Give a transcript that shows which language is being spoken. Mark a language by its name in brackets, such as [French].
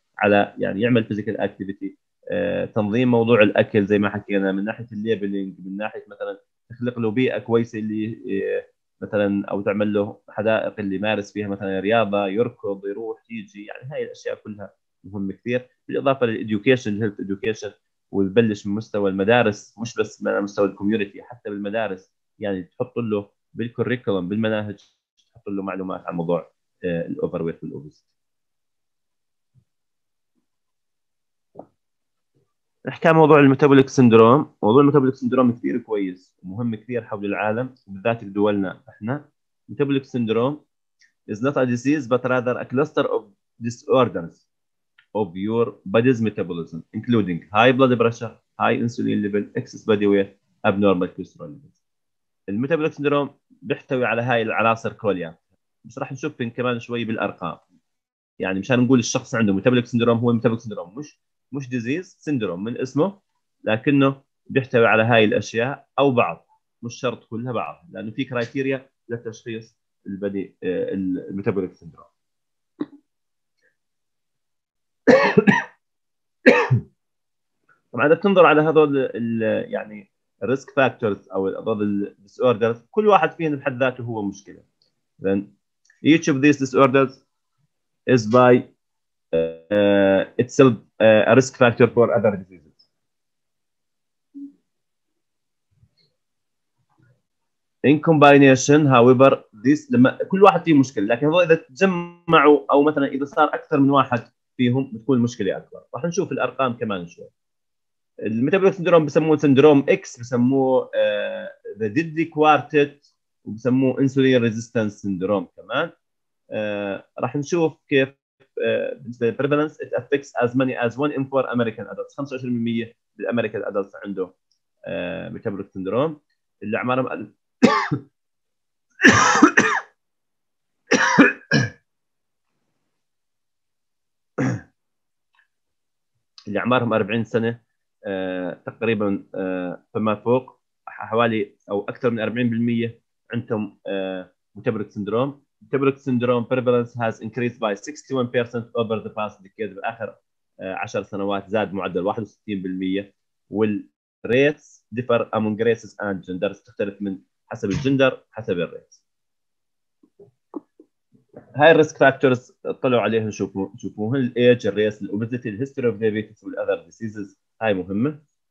[Arabic] على يعني يعمل فيزيكال اكتيفيتي، تنظيم موضوع الاكل زي ما حكينا من ناحيه الليبلينج، من ناحيه مثلا تخلق له بيئه كويسه اللي مثلا او تعمل له حدائق اللي يمارس فيها مثلا رياضه، يركض يروح يجي، يعني هاي الاشياء كلها مهم كثير، بالاضافه للاديوكيشن هيلث اديوكيشن، وتبلش من مستوى المدارس مش بس من مستوى الكوميونتي، حتى بالمدارس يعني تحط له بالكوريكولم بالمناهج تحط له معلومات عن موضوع الاوفر ويت والاوبيزيتي. نحكي عن موضوع الميتابوليك سندروم. موضوع الميتابوليك سندروم كثير كويس ومهم كثير حول العالم بالذات بدولنا احنا. [English] الميتابوليك syndrome is not a disease but rather a cluster of disorders of your body's metabolism including high blood pressure, high insulin level, excess body weight, abnormal cholesterol levels. [Arabic] الميتابوليك سندروم بيحتوي على هاي العناصر كلها، بس راح نشوف كمان شوي بالارقام، يعني مشان نقول الشخص عنده ميتابوليك سندروم هو ميتابوليك سندروم مش ديزيز، سندروم من اسمه لكنه بيحتوي على هاي الاشياء او بعض، مش شرط كلها بعض، لانه في كرايتيريا لتشخيص البني الميتابوليك سندروم. طبعا اذا تنظر على هذول الـ يعني الريسك فاكتورز او الاضرار الديس اوردرز، كل واحد فيهم بحد ذاته هو مشكله. [English] Then each of these disorders is by itself a risk factor for other diseases. In combination, however, this [Arabic] لما كل واحد فيه مشكلة، لكن هو إذا تجمعوا أو مثلا إذا صار أكثر من واحد فيهم بتكون المشكلة أكبر. راح نشوف الأرقام كمان شوي. الميتابوليك سندروم بسموه سندروم إكس، بسموه [English] the deadly quartet، [Arabic] وبسموه [English] insulin resistance syndrome [Arabic] كمان. راح نشوف كيف بالنسبه للبريفالنس، [English] it affects as many as 1 in 4 American adults, [Arabic] 25% بالامريكان ادلتس عنده ميتابوليك سندروم، اللي اعمارهم اللي اعمارهم 40 سنه تقريبا فما فوق، حوالي او اكثر من 40% عندهم ميتابوليك سندروم. [English] Metabolic syndrome prevalence has increased by 61% over the past decade. [Arabic] بالآخر 10 سنوات زاد معدل 61%. وال [English] rates differ among races and genders، [Arabic] تختلف من حسب الجندر حسب الrates. هاي الريسك فاكتورز اطلعوا عليها شوفوهم، الايج، الريس، الاوبيزيتي، [English] الهيستوري of diabetes والاذر diseases, [Arabic] هاي مهمة.